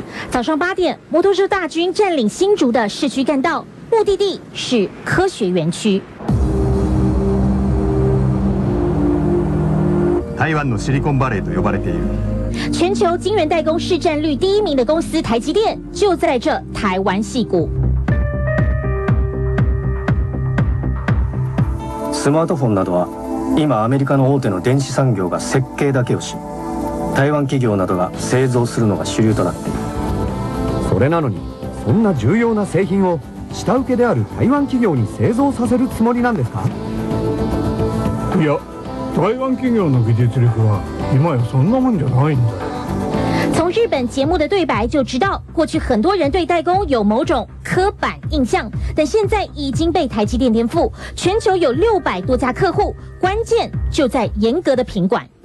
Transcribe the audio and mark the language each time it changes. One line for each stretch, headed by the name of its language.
Chinese: 早上8点，摩托车大军占领新竹的市区干道，目的地是科学园区。
Japanese: 台湾的 Silicon Valley 都呼ばれている。
Chinese: 全球晶圆代工市占率第一名的公司台积电就在这台湾矽谷。
Japanese: スマートフォンなどは今アメリカの大手の電子産業が設計だけをし、台湾企業などが製造するのが主流となっている。それなのに、そんな重要な製品を下請けである台湾企業に製造させるつもりなんですか？いや、台湾企業の技術力は今やそんなもんじゃないんだ。
Chinese: 从日本节目的对白就知道，过去很多人对代工有某种刻板印象，但现在已经被台积电颠覆。全球有600多家客户，关键就在严格的品管。